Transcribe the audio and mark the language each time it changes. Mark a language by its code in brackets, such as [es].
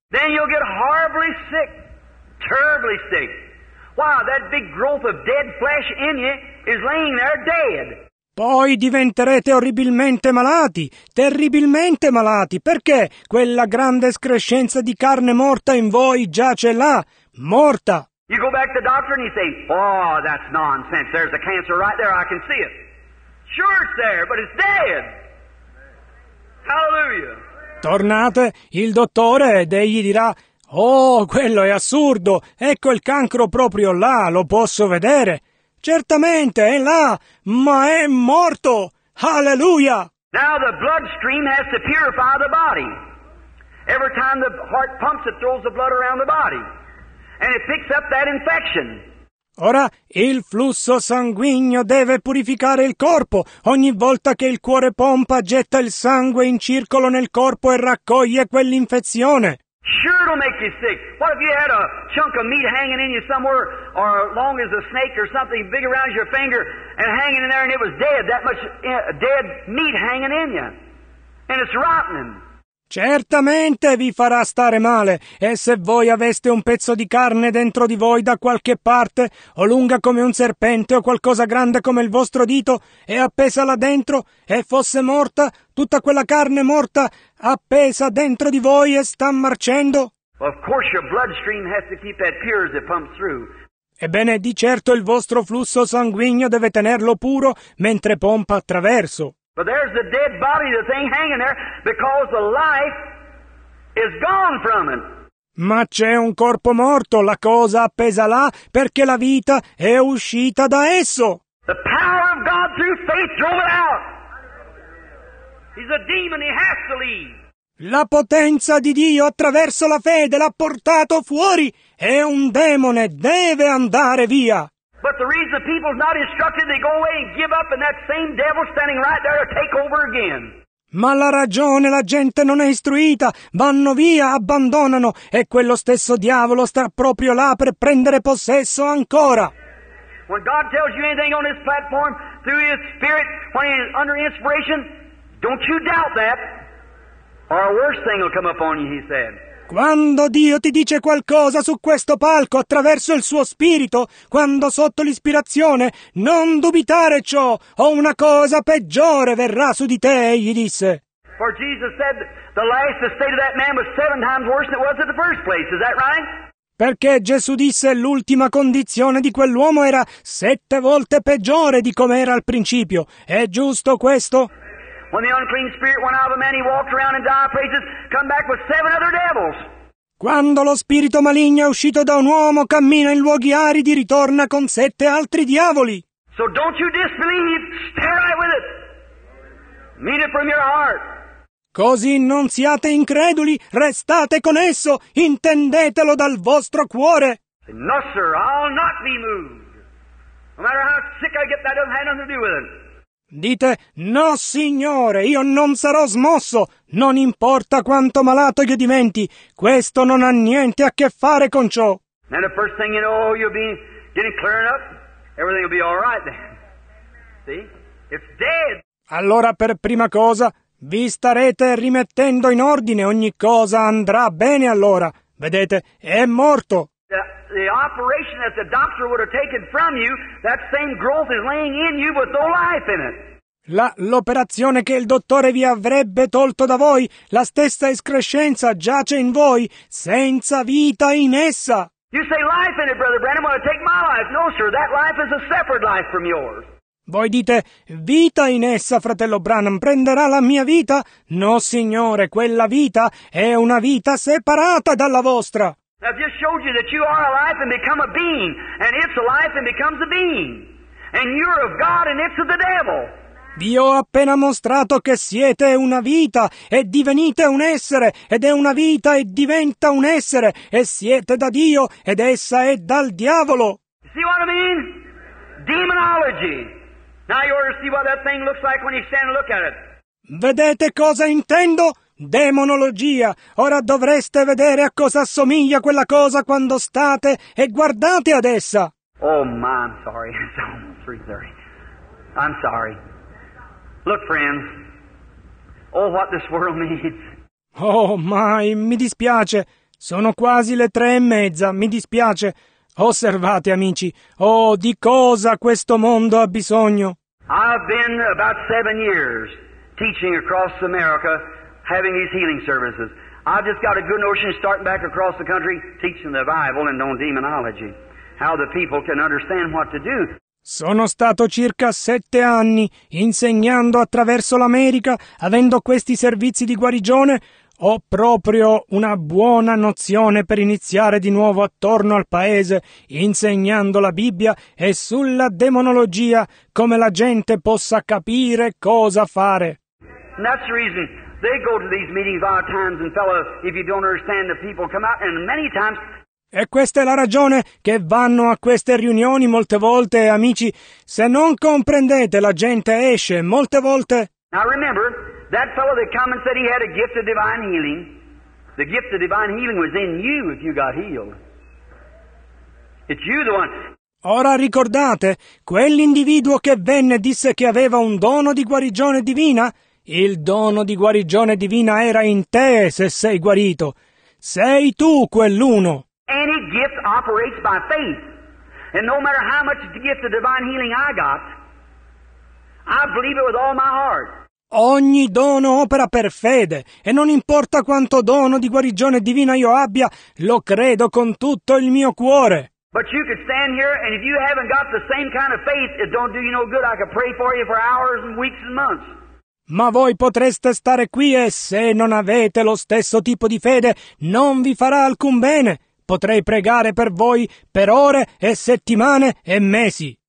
[en] Then you'll get horribly sick, terribly sick. Wow, that big growth of dead flesh in you is laying there dead. [it] Poi diventerete orribilmente malati, terribilmente malati, perché quella grande escrescenza di carne morta in voi giace là, morta. [en] You go back to the doctor and you say, oh, that's nonsense, there's a cancer right there, I can see it. Sure it's there, but it's dead. Hallelujah. [it] Tornate, il dottore, ed egli dirà, oh, quello è assurdo, ecco il cancro proprio là, lo posso vedere. Certamente è là, ma è morto. Alleluia! [en] Now the bloodstream has to purify the body. Every time the heart pumps, it throws the blood around the body, and it picks up that infection. [it] Ora il flusso sanguigno deve purificare il corpo. Ogni volta che il cuore pompa, getta il sangue in circolo nel corpo e raccoglie quell'infezione. [en] Sure it'll make you sick. What if you had a chunk of meat hanging in you somewhere, or long as a snake or something big around your finger, and hanging in there and it was dead, that much dead meat hanging in you. And it's rotten. [it] Certamente vi farà stare male, e se voi aveste un pezzo di carne dentro di voi da qualche parte, o lunga come un serpente o qualcosa grande come il vostro dito, e appesa là dentro, e fosse morta, tutta quella carne morta appesa dentro di voi e sta marcendo. [en] Of course your bloodstream has to keep that pure as it pumps through. [it] Ebbene, di certo il vostro flusso sanguigno deve tenerlo puro mentre pompa attraverso. [en] But there's the dead body, the thing hanging there, because the life is gone from it. [it] Ma c'è un corpo morto, la cosa appesa là, perché la vita è uscita da esso. [en] The power of God through faith drove it out. He's a demon, he has to leave. [it] La potenza di Dio attraverso la fede l'ha portato fuori. È un demone, deve andare via. [en] But the reason the people's not instructed, they go away and give up, and that same devil standing right there to take over again. [it] Ma la ragione, la gente non è istruita, vanno via, abbandonano, e quello stesso diavolo sta proprio là per prendere possesso ancora. [en] When God tells you anything on this platform, through His Spirit when He is under inspiration? Don't you doubt that. Or a worse thing will come upon you, He said. [it] Quando Dio ti dice qualcosa su questo palco attraverso il suo spirito, quando sotto l'ispirazione, non dubitare ciò, o una cosa peggiore verrà su di te, gli disse. [en] For Jesus said the life the state of that man was seven times worse than it was at the first place, is that right? [it] Perché Gesù disse l'ultima condizione di quell'uomo era sette volte peggiore di come era al principio. È giusto questo? [en] When the unclean spirit went out of a man, he walked around in dire places, come back with seven other devils. [it] Quando lo spirito maligno è uscito da un uomo, cammina in luoghi aridi, ritorna con sette altri diavoli. [en] So don't you disbelieve, stay right with it. Meet it from your heart. [it] Così non siate increduli, restate con esso, intendetelo dal vostro cuore. [en] No, sir, I'll not be moved. No matter how sick I get, that doesn't have nothing to do with it. [it] Dite, no signore, io non sarò smosso, non importa quanto malato io diventi, questo non ha niente a che fare con ciò. [en] And the first thing you know, you'll be getting cleared up, everything will be all right then. See? It's dead. [it] Allora per prima cosa, vi starete rimettendo in ordine, ogni cosa andrà bene allora. Vedete, è morto. [en] The operation that the doctor would have taken from you, that same growth is laying in you with no life in it. [it] L'operazione che il dottore vi avrebbe tolto da voi, la stessa escrescenza giace in voi, senza vita in essa. [en] You say life in it, Brother Branham, want to take my life. No, sir, that life is a separate life from yours. [it] Voi dite, vita in essa, fratello Branham, prenderà la mia vita? No, signore, quella vita è una vita separata dalla vostra. [en] I've just showed you that you are alive and become a being, and it's alive and becomes a being, and you're of God and it's of the devil. [it] Vi ho appena mostrato che siete una vita e divenite un essere, ed è una vita e diventa un essere, e siete da Dio ed essa è dal diavolo. [en] You see what I mean? Demonology. Now you ought to see what that thing looks like when you stand and look at it. [it] Vedete cosa intendo? Demonologia. Ora dovreste vedere a cosa assomiglia quella cosa quando state e guardate ad essa. [en] Oh my, I'm sorry. It's almost 3:30. I'm sorry. Look, friends. Oh, what this world needs. Oh my, [it] mi dispiace. Sono quasi le 3:30. Mi dispiace. Osservate, amici. Oh, di cosa questo mondo ha bisogno? [en] I've been about 7 years teaching across America, having these healing services. I've just got a good notion starting back across the country teaching the Bible and on demonology, how the people can understand what to do. [it] Sono stato circa 7 anni insegnando attraverso l'America, avendo questi servizi di guarigione. Ho proprio una buona nozione per iniziare di nuovo attorno al paese, insegnando la Bibbia e sulla demonologia, come la gente possa capire cosa fare. [en] And that's the reason. They go to these meetings a lot of times, and fellas, if you don't understand, the people come out, and many times. [it] E questa è la ragione che vanno a queste riunioni molte volte, amici. Se non comprendete, la gente esce molte volte. [en] Now remember that fellow that came and said he had a gift of divine healing. The gift of divine healing was in you if you got healed. It's you the one. [it] Ora ricordate quell'individuo che venne e disse che aveva un dono di guarigione divina. Il dono di guarigione divina era in te se sei guarito. Sei tu quell'uno. [en] Any gift operates by faith. And no matter how much gift of divine healing I got, I believe it with all my heart. [it] Ogni dono opera per fede. E non importa quanto dono di guarigione divina io abbia, lo credo con tutto il mio cuore. [en] But you could stand here, and if you haven't got the same kind of faith, it don't do you no good. I could pray for you for hours and weeks and months. [it] Ma voi potreste stare qui e se non avete lo stesso tipo di fede, non vi farà alcun bene. Potrei pregare per voi per ore e settimane e mesi.